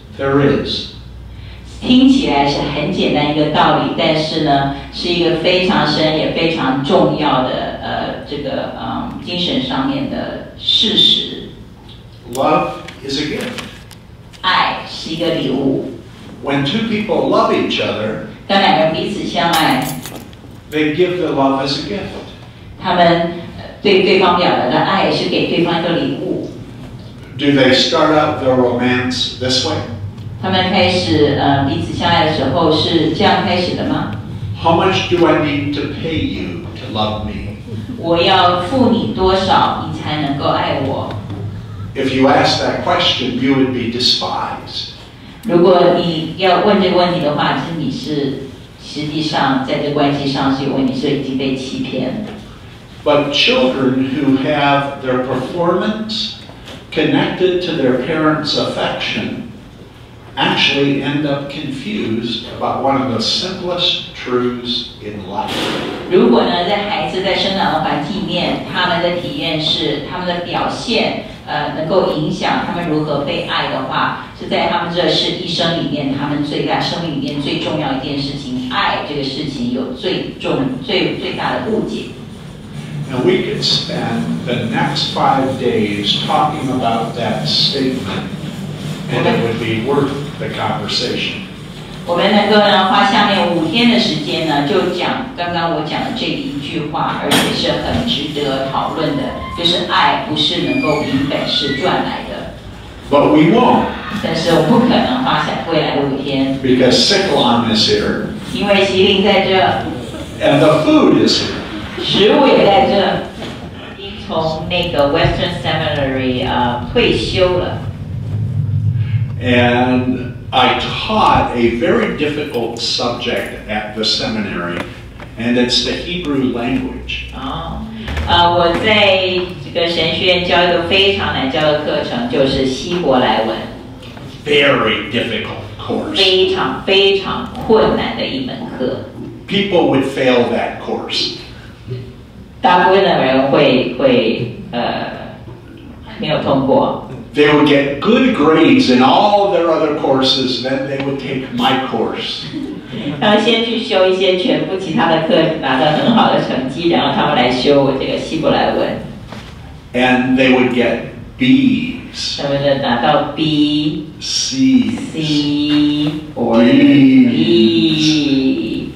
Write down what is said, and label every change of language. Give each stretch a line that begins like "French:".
English: There is.
Chinese: 听起来是很简单一个道理，但是呢，是一个非常深也非常重要的这个精神上面的事实。
English: Love is a gift.
Chinese: 爱是一个礼物。
English: When two people love each other,
Chinese: 当两个人彼此相爱
English: ，they give the love as a gift.
Chinese: 他们对对方表达的爱是给对方一个礼物。
English: Do they start out their romance this way?
Chinese: 他们开始彼此相爱的时候是这样开始的吗
English: ？How much do I need to pay you to love me？
Chinese: 我要付你多少，你才能够爱我
English: ？If you ask that question, you would be despised。
Chinese: 如果你要问这个问题的话，是你是实际上在这关系上是因为你是已经被欺骗。
English: But children who have their performance connected to their parents' affection. Actually, end up confused about one of the simplest truths in life.
Chinese: 如果呢，在孩子在生长的环境里面，他们的体验是他们的表现，能够影响他们如何被爱的话，是在他们这是一生里面他们最大生命里面最重要一件事情，爱这个事情有最重最最大的误解。
English: Now we could spend the next 5 days talking about that statement. And it would be worth the conversation.
Chinese: 我们能够呢花下面五天的时间呢，就讲刚刚我讲的这一句话，而且是很值得讨论的，就是爱不是能够凭本事赚来的。
English: But we won't.
Chinese: 但是我不可能花下未来的五天。
English: Because Cyclone is here.
Chinese: 因为麒麟在这。
English: And the food is here.
Chinese: 食物也在这。已从那个 Western Seminary 退休了。
English: And I taught a very difficult subject at the seminary, and it's the Hebrew language.
Chinese: 我在这个神学院教一个非常难教的课程，就是希伯来文。
English: Very difficult course.
Chinese: 非常非常困难的一门课。
English: People would fail that course.
Chinese: 大部分的人会没有通过。
English: They would get good grades in all their other courses, then they would take my course.
Chinese: 他们先去修一些全部其他的课，拿到很好的成绩，然后他们来修我这个希伯来文。
English: And they would get B's.
Chinese: 他们就拿到 B.
English: C. C. Or D's, E.